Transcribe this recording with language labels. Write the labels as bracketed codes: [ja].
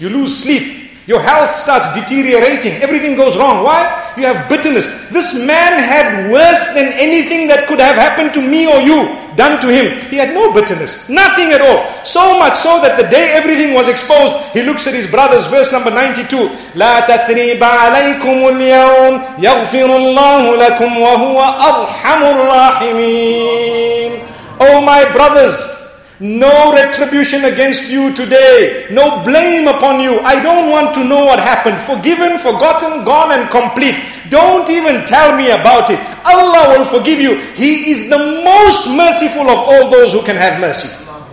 [en] You lose sleep. Your health starts deteriorating. Everything goes wrong. Why? You have bitterness. This man had worse than anything that could have happened to me or you done to him. He had no bitterness. Nothing at all. So much so that the day everything was exposed, he looks at his brothers. Verse number 92. [ar] لا تثريب عليكم اليوم يغفر الله لكم وهو أرحم الراحمين. [en] Oh my brothers, no retribution against you today. No blame upon you. I don't want to know what happened. Forgiven, forgotten, gone and complete. Don't even tell me about it. Allah will forgive you. He is the most merciful of all those who can have mercy.